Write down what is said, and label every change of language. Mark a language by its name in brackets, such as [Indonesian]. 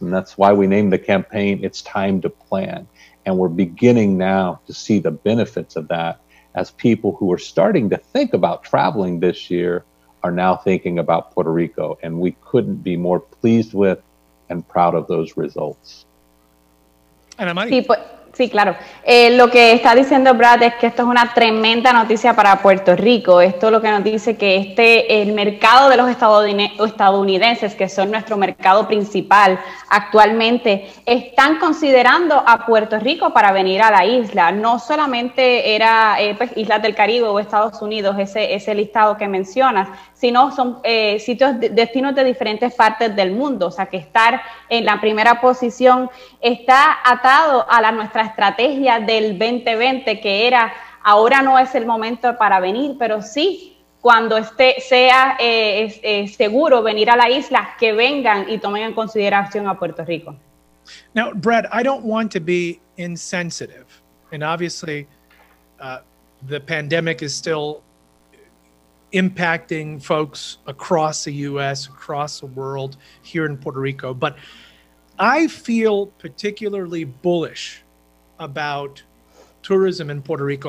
[English] And that's why we named the campaign, It's Time to Plan. And we're beginning now to see the benefits of that as people who are starting to think about traveling this year are now thinking about Puerto Rico. And we couldn't be more pleased with and proud of those results. And I'm Mari. [Spanish] Sí, claro. Lo que está diciendo Brad es que esto es una tremenda noticia para Puerto Rico. Esto lo que nos dice que el mercado de los estadounidenses, que son nuestro mercado principal actualmente, están considerando a Puerto Rico para venir a la isla. No solamente era pues, Islas del Caribe o Estados Unidos, ese listado que mencionas, sino son sitios, destinos de diferentes partes del mundo. O sea, que estar en la primera posición está atado a nuestra estrategia del 2020, que era, ahora no es el momento para venir, pero sí, cuando sea seguro venir a la isla, que vengan y tomen en consideración a Puerto Rico. [English] Now, Brad, I don't want to be insensitive, and obviously the pandemic is still impacting folks across the U.S., across the world, here in Puerto Rico. But I feel particularly bullish about tourism in Puerto Rico.